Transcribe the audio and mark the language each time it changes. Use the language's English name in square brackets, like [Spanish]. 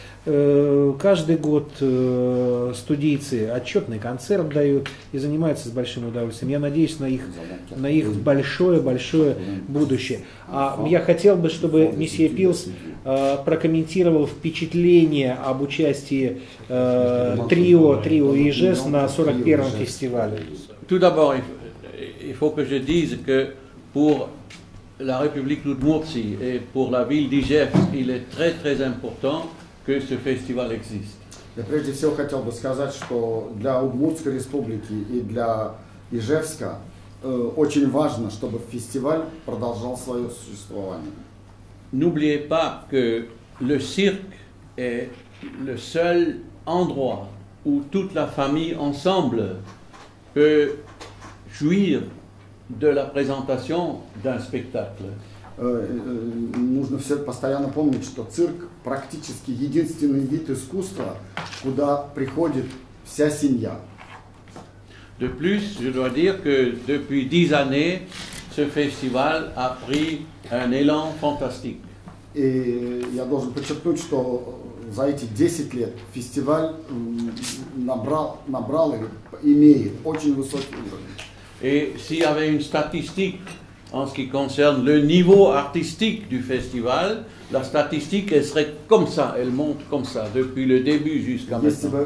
[Russian] Каждый год студийцы отчетный концерт дают и занимаются с большим удовольствием. Я надеюсь на их большое-большое будущее. А я хотел бы, чтобы месье Пилс прокомментировал впечатление об участии трио Ижес на 41-м фестивале. [French] Tout d'abord, il faut que je dise que pour la République d'Udmurtie et pour la ville d'Ижевск, il est très très important que ce festival existe. [Russian] Я прежде всего хотел бы сказать, что для Удмуртской республики и для Ижевска очень важно, чтобы фестиваль продолжал свое существование. [French] N'oubliez pas que le cirque est le seul endroit où toute la famille ensemble peut jouir de la présentation d'un spectacle. [Russian] Нужно все постоянно помнить, что цирк практически единственный вид искусства, куда приходит вся семья. [French] De plus, je dois dire que depuis 10 années, ce festival a pris un élan fantastique. [Russian] И я должен подчеркнуть, что за эти 10 лет фестиваль набрал и имеет очень высокий уровень. [French] Et s'il y avait une statistique en ce qui concerne le niveau artistique du festival, la statistique elle serait comme ça, elle monte comme ça depuis le début jusqu'à maintenant.